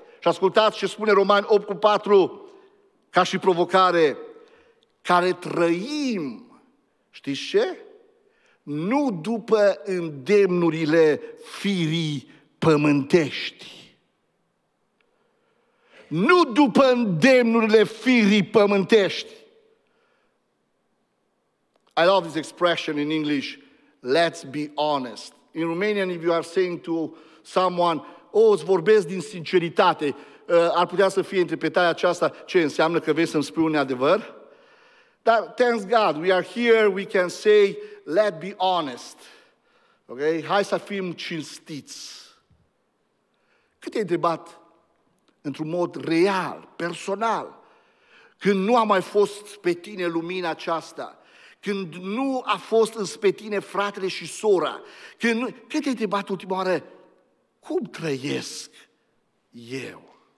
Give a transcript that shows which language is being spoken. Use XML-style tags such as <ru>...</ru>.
<ro>Și ascultați ce spune Romani 8 cu 4, ca și provocare, care trăim, știți ce? Nu după îndemnurile firii pământești. Nu după îndemnurile firii pământești.</ro> <en>I love this expression in English, let's be honest. In Romanian, if you are saying to someone, oh,</en> <ro>îți vorbesc din sinceritate, ar putea să fie interpretarea aceasta, ce înseamnă că vrei să-mi spui un adevăr?</ro> <en>Dar, thanks God, we are here, we can say, let's be honest.</en> <ro>Ok? Hai să fim cinstiți. Cât te-ai întrebat într-un mod real, personal, când nu a mai fost pe tine lumina aceasta, când nu a fost înspre tine fratele și sora, când te-ai întrebat ultima oară, cum trăiesc eu?</ro>